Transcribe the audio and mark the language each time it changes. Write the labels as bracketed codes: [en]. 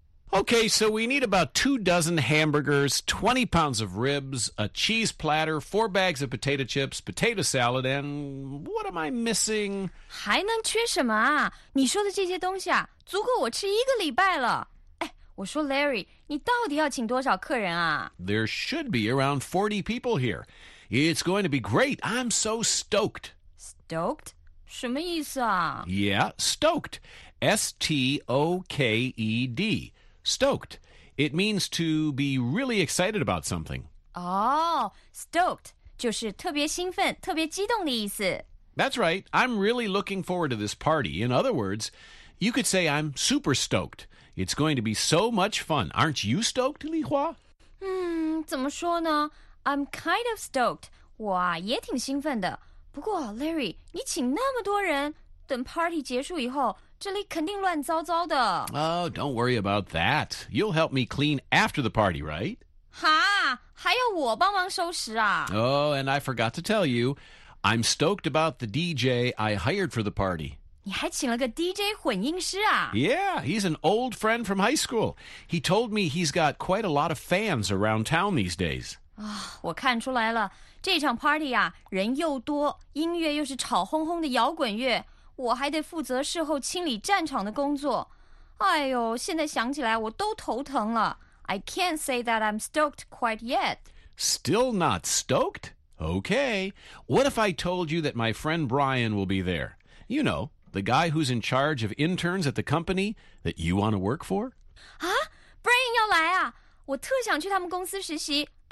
[en] Okay, so we need about 2 dozen hamburgers, 20 pounds of ribs, a cheese platter, 4 bags of potato chips, potato salad, and what am I missing? [zh] 还能缺什么啊？你说的这些东西啊，足够我吃一个礼拜了。我说 Larry, 你到底要请多少客人啊？ [en] There should be around 40 people here. It's going to be great. I'm so stoked. [zh] Stoked? 什么意思啊？ [en] Yeah, stoked. S-T-O-K-E-D. Stoked. It means to be really excited about something. Oh, stoked. [zh] 就是特别兴奋，特别激动的意思。 [en] That's right. I'm really looking forward to this party. In other words, you could say I'm super stoked. It's going to be so much fun. Aren't you stoked, Li Hua? [zh] 怎么说呢? [en] I'm kind of stoked. [zh] 我啊也挺兴奋的。不过 Larry, 你请那么多人，等 party 结束以后，这里肯定乱糟糟的。 [en] Oh, don't worry about that. You'll help me clean after the party, right? [zh] 哈，还要我帮忙收拾啊? [en] Oh, and I forgot to tell you, I'm stoked about the DJ I hired for the party. [zh] 你还请了个 DJ 混音师啊? [en] Yeah, he's an old friend from high school. He told me he's got quite a lot of fans around town these days. [zh] 我看出来了。这场 party 啊，人又多，音乐又是吵哄哄的摇滚乐，我还得负责事后清理战场的工作。哎呦，现在想起来我都头疼了。 [en] I can't say that I'm stoked quite yet. Still not stoked? Okay. What if I told you that my friend Brian will be there? You know... The guy who's in charge of interns at the company that you want to work for? [zh] Brian 要来啊！我特想去他们公司实习。